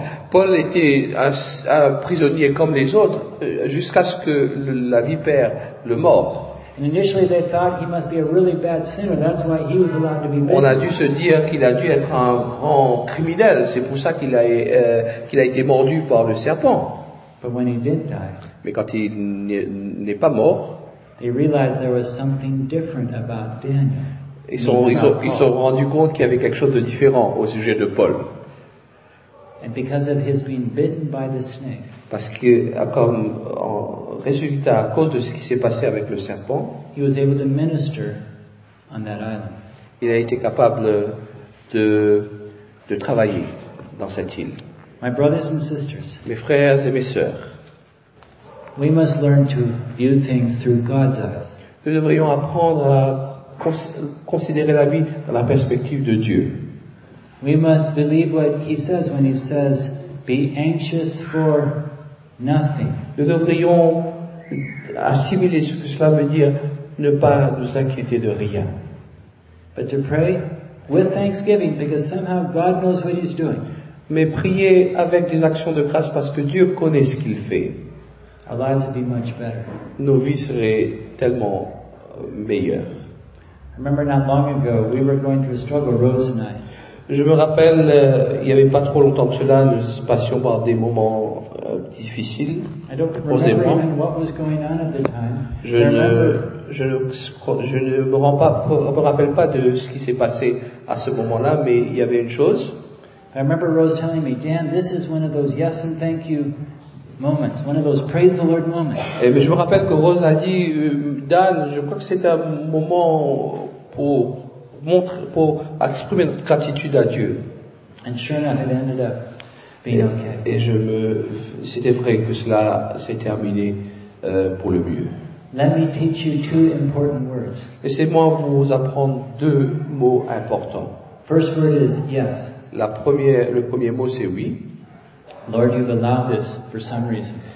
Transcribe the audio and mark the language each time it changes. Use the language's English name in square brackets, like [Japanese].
[French] Paul était un prisonnier comme les autres jusqu'à ce que la vipère le mord. [English] And initially they thought he must be a really bad sinner. That's why he was allowed to be bitten. [French] On a dû se dire qu'il a dû être un grand criminel. C'est pour ça qu'il a été mordu par le serpent. [English] But when he did die, [French] mais quand il n'est pas mort, [English] they realized there was something different about Daniel. [French] Ils sont rendus compte qu'il y avait quelque chose de différent au sujet de Paul. [English] And because of his being bitten by the snake. [French] Parce que, comme en résultat, à cause de ce qui s'est passé avec le serpent, [English] he was able to minister on that island. [French] Il a été capable de travailler dans cette île. [English] My brothers and sisters, [French] mes frères et mes sœurs, [English] we must learn to view things through God's eyes. [French] Nous devrions apprendre à considérer la vie dans la perspective de Dieu. [English] We must believe what he says when he says, "Be anxious for nothing." [French] Nous devrions assimiler ce que cela veut dire, ne pas nous inquiéter de rien. [English] But to pray with thanksgiving, because somehow God knows what He's doing. [French] Mais prier avec des actions de grâce parce que Dieu connaît ce qu'il fait. [English] Our lives would be much better. [French] Nos vies seraient tellement meilleures. [English] I remember not long ago we were going through a struggle, Rose and I. [French] Je me rappelle, il n'y avait pas trop longtemps que cela, nous passions par des moments difficiles. [English] I don't remember even what was going on at the time. [French] Je ne je ne me rappelle pas de ce qui s'est passé à ce moment-là, mais il y avait une chose. [English] I remember Rose telling me, Dan, this is one of those yes and thank you moments, one of those praise the Lord moments. [French] Et mais je me rappelle que Rose a dit, Dan, je crois que c'est un moment pour montrer, pour exprimer notre gratitude à Dieu. [English] And sure enough, it ended up being okay. [French] Et je me, c'était vrai que cela s'est terminé pour le mieux. [English] Let me teach you two important words. [French] Laissez-moi vous apprendre deux mots importants. [English] First word is yes. [French] La première, le premier mot c'est oui. [English] Lord, you've allowed this for some reason.